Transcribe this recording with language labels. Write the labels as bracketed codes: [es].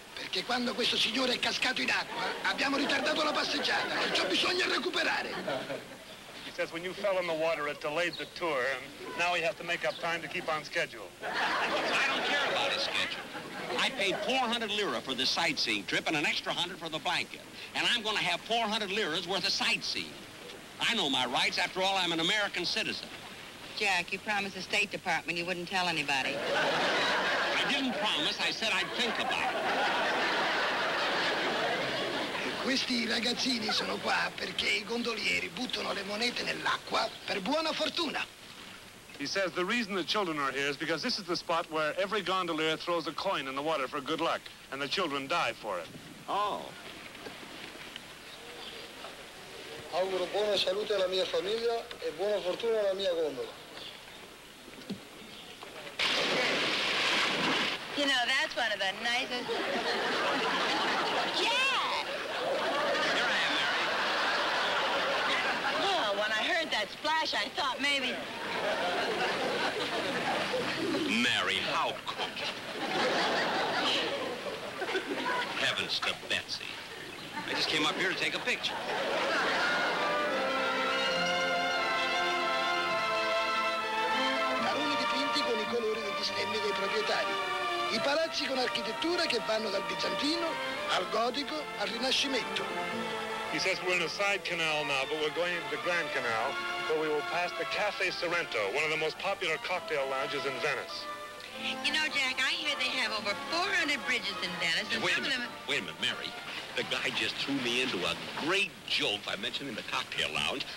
[it] Che quando questo signore è cascato in acqua, abbiamo ritardato la passeggiata. Perciò bisogna recuperare. [en] He says when you fell in the water, it delayed the tour, and now we have to make up time to keep on schedule. I don't care about his schedule. I paid 400 lira for the sightseeing trip and an extra 100 for the blanket. And I'm going to have 400 liras worth of sightseeing. I know my rights. After all, I'm an American citizen. Jack, you promised the State Department you wouldn't tell anybody. I didn't promise. I said I'd think about it. [it] Questi ragazzini sono qua perché I gondolieri buttano le monete nell'acqua per buona fortuna. [en] He says the reason the children are here is because this is the spot where every gondolier throws a coin in the water for good luck, and the children die for it. Oh. [it] Ho auguro buona salute alla mia famiglia e buona fortuna alla mia gondola. [en] You know, that's one of the nicest... Jack! Here I am, Mary. Well, when I heard that splash, I thought maybe... Mary, how could you? Heavens to Betsy. I just came up here to take a picture. [it] Baroni dipinti con i colori degli stemmi dei proprietari. I palazzi con architetture che vanno dal bizantino al gotico al rinascimento. [en] He says we're in a side canal now, but we're going into the Grand Canal, where we will pass the Cafe Sorrento, one of the most popular cocktail lounges in Venice. You know, Jack, I hear they have over 400 bridges in Venice. Hey, wait a minute, Mary. The guy just threw me into a great joke by mentioning the cocktail lounge.